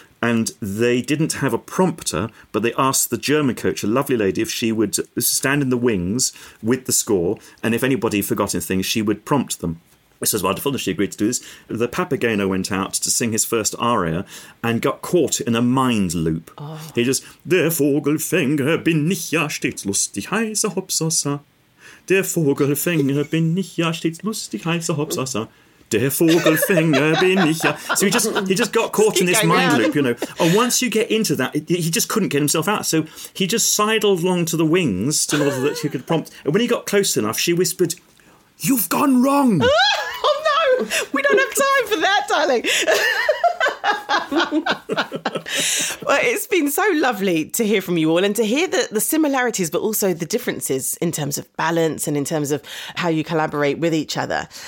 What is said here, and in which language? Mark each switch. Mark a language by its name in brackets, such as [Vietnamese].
[English] And they didn't have a prompter, but they asked the German coach, a lovely lady, if she would stand in the wings with the score, and if anybody forgot anything, she would prompt them. This was wonderful, and she agreed to do this. The Papageno went out to sing his first aria and got caught in a mind loop. Oh. He just, [German] Der Vogelfänger bin ich ja stets lustig, heißer Hopsasa. Der Vogelfänger bin ich ja stets lustig, heißer Hopsasa. Der Vogelfänger bin ich ja. [English] So he just got caught in this mind loop, you know. And once you get into that, he just couldn't get himself out. So he just sidled along to the wings in order that he could prompt. And when he got close enough, she whispered, You've gone wrong. Oh, no. We don't have time for that, darling. Well, it's been so lovely to hear from you all and to hear the similarities, but also the differences in terms of balance and in terms of how you collaborate with each other.